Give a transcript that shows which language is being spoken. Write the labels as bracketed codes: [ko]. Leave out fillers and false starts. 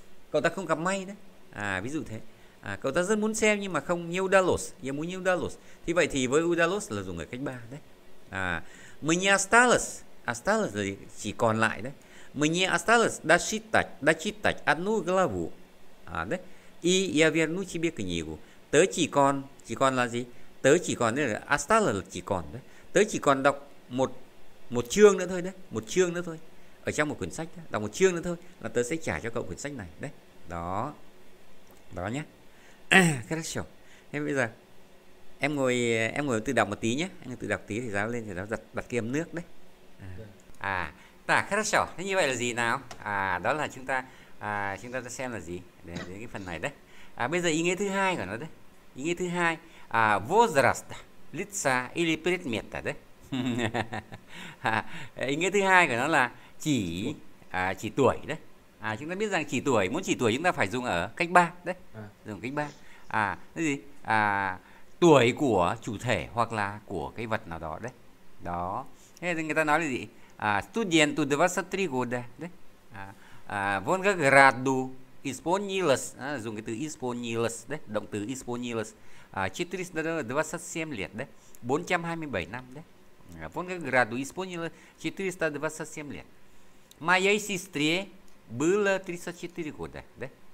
[vi] Cậu ta không gặp may, đấy. Ví dụ thế. Cậu ta rất muốn xem nhưng mà không [ru] не удалось. Ему не удалось. [vi] Thì vậy thì với удалось là dùng ở cách ba, đấy. [ru] Мне осталось, осталось [vi] chỉ còn lại, đấy. [ru] Мне осталось дочитать одну главу, đấy. И я верну тебе книгу. [vi] Tớ chỉ còn là gì? Tớ chỉ còn đấy là asta là chỉ còn đấy. Tớ chỉ còn đọc một chương nữa thôi đấy, một chương nữa thôi. Ở trong một quyển sách đó, đọc một chương nữa thôi là tớ sẽ trả cho cậu quyển sách này đấy. Đó. Đó nhá. Хорошо. Thế bây giờ em ngồi tự đọc một tí nhé. Em tự đọc tí thì giáo lên thì giáo đặt đặt kiếm nước đấy. Tạ [ru] хорошо. [vi] Thế như vậy là gì nào? Đó là chúng ta sẽ xem là gì đến cái phần này đấy. Bây giờ ý nghĩa thứ hai của nó đấy. Ý nghĩa thứ hai, [ru] возраст, лица или предмета [vi] đấy. Ý nghĩa thứ hai của nó là chỉ tuổi đấy. Chúng ta biết rằng chỉ tuổi chúng ta phải dùng ở cách 3 đấy. Dùng cách 3. Cái gì? Tuổi của chủ thể hoặc là của cái vật nào đó đấy. Đó. Thế thì người ta nói là gì? [ru] Студенту 23 года [vi] đấy. Волгограду исполнилось, dùng cái từ исполнилось đấy, động từ исполнилось. [ru] 427 лет đấy, [vi] 427 năm đấy. [ru] Волгограду исполнилось 427 лет. Моей сестре было 34 года, đấy.